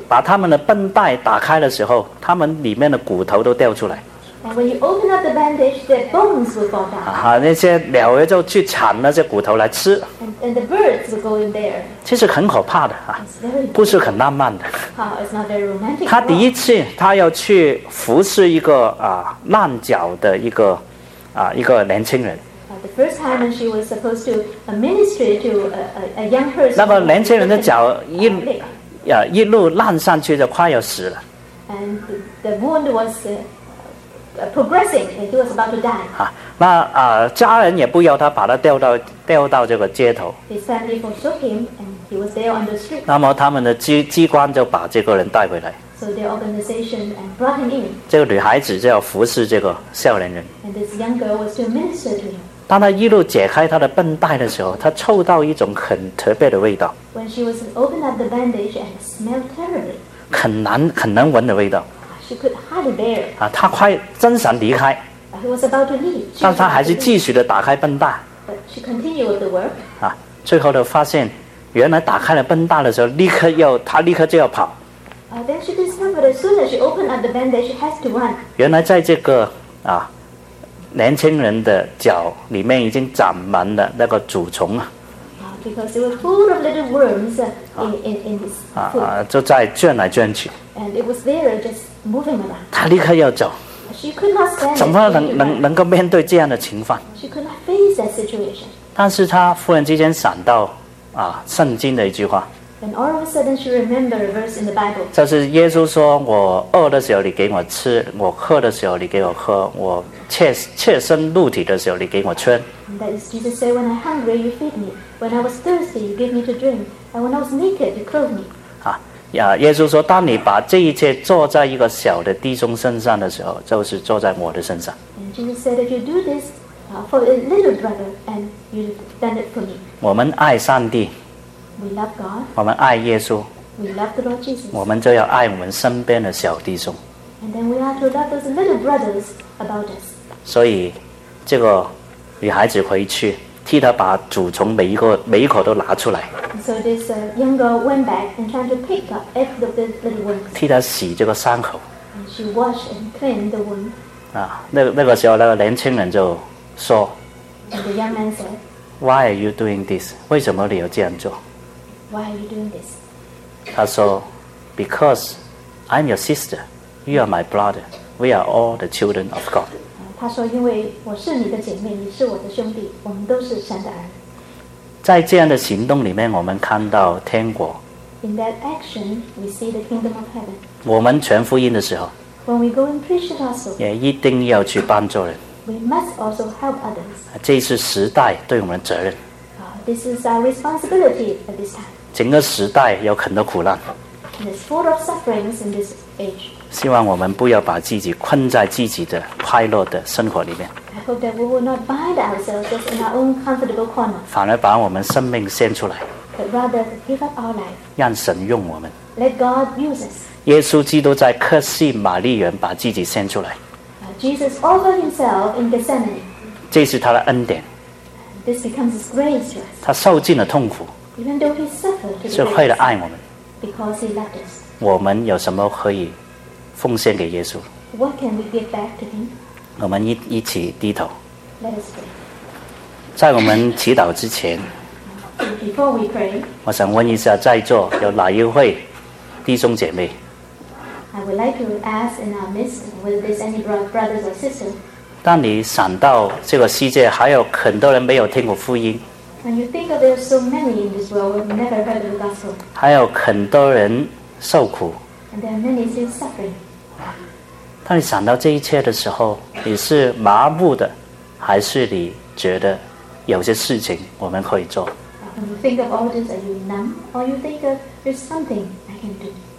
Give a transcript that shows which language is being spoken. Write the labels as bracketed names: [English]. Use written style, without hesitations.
[Chinese] 把他们的绷带打开的时候，他们里面的骨头都掉出来。 [English] And when you open up the bandage, their bones will fall down. [Chinese] 那些鸟儿就去抢那些骨头来吃。 [English] And the birds will go in there. [Chinese] 其实很可怕的啊，不是很浪漫的。 [English] It's not very romantic. [Chinese] 他第一次他要去服侍一个烂脚的一个年轻人。 [English] The first time when she was supposed to minister to a young person. [Chinese] 那个年轻人的脚一路烂上去就快要死了。 [English] And the wound was progressing. It was about to die. [Chinese] 家人也不要他，把他吊到这个街头。 [English] His family forsook him, and he was there on the street. [Chinese] 那么他们的机关就把这个人带回来。 [English] So their organization and brought him in. [Chinese] 这个女孩子就要服侍这个少年人。 [English] And this young girl was to minister to him. [Chinese] 当他一路解开他的绷带的时候，他臭到一种很特别的味道。 [English] When she was opened up the bandage and smelled terribly. [Chinese] 很难闻的味道。 [English] She could hardly bear. [Chinese] 啊，他快真想离开。 [English] He was about to leave. [Chinese] 但他还是继续的打开绷带。 [English] She continued with the work. [Chinese] 啊，最后的发现，原来打开了绷带的时候，立刻就要跑。 [English] Then she discovered as soon as she opened up the bandage, she has to run. [Chinese] 原来在这个啊。年轻人的脚里面已经长满了那个蛀虫了。 [English] Because it was full of little worms in his foot. [Chinese] 就在转来转去。 [English] And it was there just moving around. [Chinese] 他立刻要走。 [English] She could not stand. [Chinese] 怎么能够面对这样的情况？ [English] She could not face that situation. [Chinese] 但是他忽然之间想到啊，圣经的一句话。 [English] And all of a sudden she remembered a verse in the Bible. [Chinese] 就是耶稣说，我饿的时候你给我吃，我渴的时候你给我喝，我切身肉体的时候你给我穿。 [English] That is Jesus said, when I'm hungry, you feed me. When I was thirsty, you give me to drink. And when I was naked, you clothe me. [Chinese] 耶稣说，当你把这一切做在一个小的弟兄身上的时候，就是做在我的身上。 [English] And Jesus said, if you do this for a little brother, and you've done it for me. [Chinese] 我们爱上帝。 [English] We love God. [Chinese] 我们爱耶稣。 [English] We love the Lord Jesus. [Chinese] 我们就要爱我们身边的小弟兄。 [English] And then we have to love those little brothers about us. [Chinese] 所以，这个女孩子回去替他把蛀虫每一口都拿出来。 [English] So this young girl went back and tried to pick up every of the little worms. [Chinese] 替他洗这个伤口。 [English] And she washed and cleaned the wound. [Chinese] 那个时候，那个年轻人就说。 [English] And the young man said. Why are you doing this? [Chinese] 为什么你要这样做? [English] Why are you doing this? [Chinese] 他说, [English] Because I'm your sister, you are my brother, we are all the children of God. [Chinese] 他说, 因为我是你的姐妹, 你是我的兄弟, 我们都是神的儿。在这样的行动里面, 我们看到天国。 [English] In that action, we see the kingdom of heaven. [Chinese] 我们传福音的时候, [English] When we go and preach the gospel, [Chinese] 也一定要去帮助人。 [English] We must also help others. [Chinese] 这是时代对我们的责任。 [English] This is our responsibility at this time. [Chinese] 整个时代有很多苦难。 [English] And it's full of sufferings in this age. [Chinese] 希望我们不要把自己困在自己的快乐的生活里面。 [English] I hope that we will not bind ourselves just in our own comfortable corner. [Chinese] 反而把我们生命献出来。 [English] But rather give up our life. [Chinese] 让神用我们。 [English] Let God use us. [Chinese] 耶稣基督在客西马利园把自己献出来。 [English] Jesus offered himself in Gethsemane. [Chinese] 这是他的恩典。 [English] This becomes his grace to us. [Chinese] 他受尽了痛苦。 [English] Even though he suffered to be [Chinese] grace, 是为了爱我们。 [English] Because he loved us. [Chinese] 我们有什么可以奉献给耶稣? [English] What can we give back to him? [Chinese] 我们一起低头。 [English] Let us pray. [Chinese] 在我们祈祷之前。 [English] Before we pray. [Chinese] 我想问一下在座有哪一位弟兄姐妹。 [English] I would like to ask in our midst whether there's any brothers or sisters. [Chinese] 当你想到这个世界还有很多人没有听过福音。 [English] When you think of there are so many in this world who have never heard of the gospel. [Chinese] 还有很多人受苦。 [English] And there are many still suffering. [Chinese] 当你想到这一切的时候，你是麻木的，还是你觉得有些事情我们可以做？ [English] When you think of all this, are you numb? Or you think of there's something I can do?